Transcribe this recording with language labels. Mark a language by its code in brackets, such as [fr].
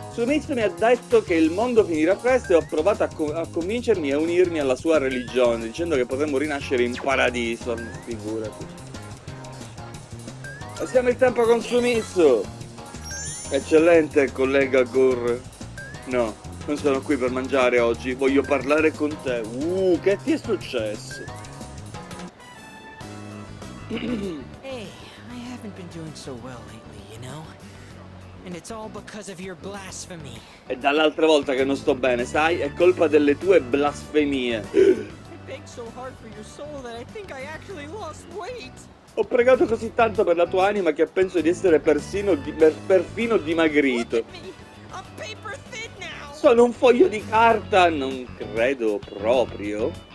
[it] Sumitsu mi ha detto che il mondo finirà presto e ho provato a convincermi a unirmi alla sua religione dicendo che potremmo rinascere in paradiso, figurati. Passiamo il tempo con Sumitsu. Eccellente collega Gur. No, non sono qui per mangiare oggi, voglio parlare con te. Che ti è successo? [en] Hey, I haven't been doing so well lately, you know? And it's all because of your blasphemy. [it] È dall'altra volta che non sto bene, sai? È colpa delle tue blasfemie. [en] I beg so hard for your soul that I think I actually lost weight. [it] Ho pregato così tanto per la tua anima che penso di essere perfino dimagrito. [en] Look at me. I'm paper thin now. [it] Sono un foglio di carta, non credo proprio.